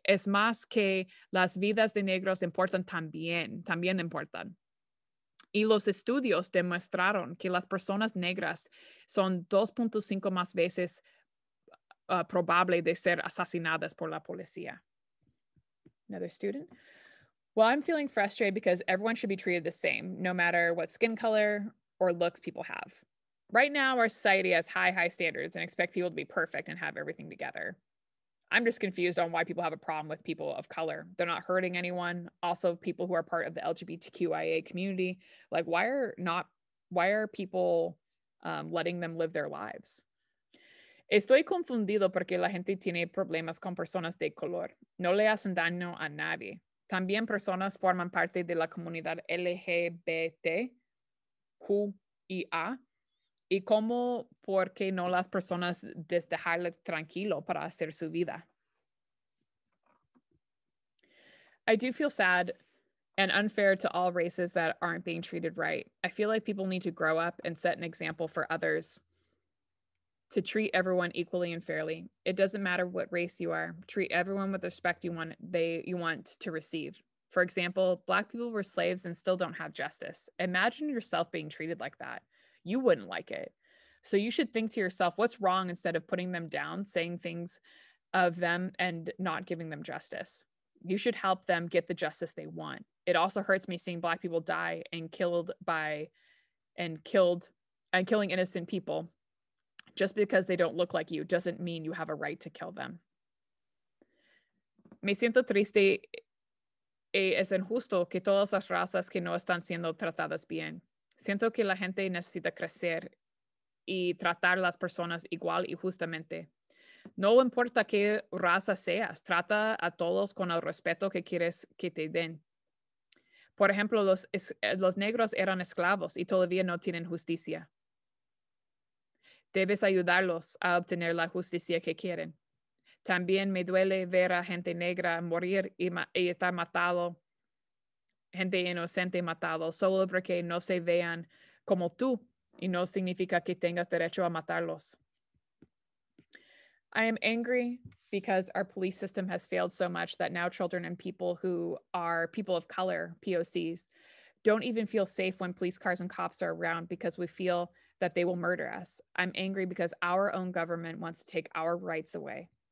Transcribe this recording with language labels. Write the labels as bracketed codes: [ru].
[es] Es más que las vidas de negros importan también importan. Y los estudios demostraron que las personas negras son 2.5 más veces probable de ser asesinadas por la policía. [en] Another student. Well, I'm feeling frustrated because everyone should be treated the same, no matter what skin color or looks people have. Right now, our society has high standards and expect people to be perfect and have everything together. I'm just confused on why people have a problem with people of color. They're not hurting anyone. Also, people who are part of the LGBTQIA community. Like, why are people letting them live their lives? [es] Estoy confundido porque la gente tiene problemas con personas de color. No le hacen daño a nadie. También personas forman parte de la comunidad LGBTQIA. ¿Y cómo por qué no las personas dejarle tranquilo para hacer su vida? [en] I do feel sad and unfair to all races that aren't being treated right. I feel like people need to grow up and set an example for others to treat everyone equally and fairly. It doesn't matter what race you are. Treat everyone with respect you want to receive. For example, Black people were slaves and still don't have justice. Imagine yourself being treated like that. You wouldn't like it. So you should think to yourself, what's wrong, instead of putting them down, saying things of them and not giving them justice. You should help them get the justice they want. It also hurts me seeing Black people die and killing innocent people. Just because they don't look like you doesn't mean you have a right to kill them. [es] Me siento triste y es injusto que todas las razas que no están siendo tratadas bien. Siento que la gente necesita crecer y tratar las personas igual y justamente. No importa qué raza seas, trata a todos con el respeto que quieres que te den. Por ejemplo, los negros eran esclavos y todavía no tienen justicia. Debes ayudarlos a obtener la justicia que quieren. También me duele ver a gente negra morir y estar matado, gente inocente matado, solo porque no se vean como tú y no significa que tengas derecho a matarlos. [en] I am angry because our police system has failed so much that now children and people who are people of color, POCs, don't even feel safe when police cars and cops are around because we feel that they will murder us. I'm angry because our own government wants to take our rights away.